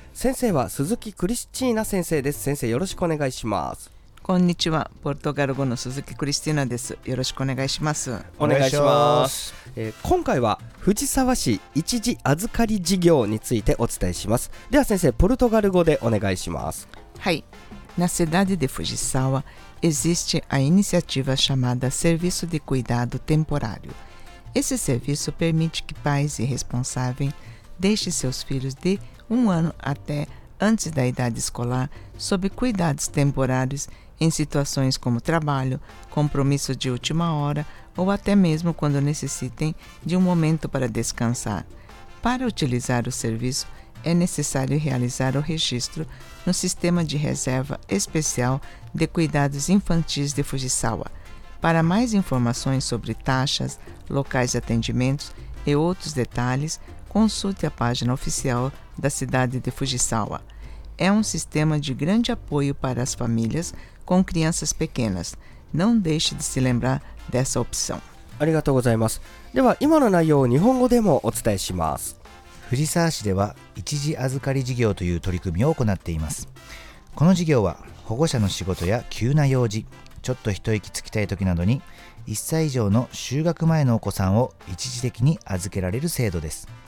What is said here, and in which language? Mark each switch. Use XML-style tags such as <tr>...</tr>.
<ja>先生は鈴木クリスティーナ先生です。先生よろしくお願いします。こんにちは、ポルトガル語の鈴木クリスティーナです。よろしくお願いします。お願いします。今回は藤沢市一時預かり事業についてお伝えします。では先生、ポルトガル語でお願いします。はい。</ja> <pt>Na cidade de Fujisawa existe a iniciativa chamada Serviço de Cuidado Temporário. Esse serviço permite que pais e responsáveis deixem seus filhos de um ano até antes da idade escolar sob cuidados temporários em situações como trabalho, compromisso de última hora ou até mesmo quando necessitem de um momento para descansar. Para utilizar o serviço,é necessário realizar o registro no Sistema de Reserva Especial de Cuidados Infantis de Fujisawa. Para mais informações sobre taxas, locais de atendimentos e outros detalhes, consulte a página oficial da cidade de Fujisawa. É um sistema de grande apoio para as famílias com crianças pequenas. Não deixe de se lembrar dessa opção.</pt> <ja>ありがとうございます。では今の内容を日本語でもお伝えします。藤沢市では一時預かり事業という取り組みを行っています。この事業は保護者の仕事や急な用事、ちょっと一息つきたい時などに1歳以上の就学前のお子さんを一時的に預けられる制度です。</ja>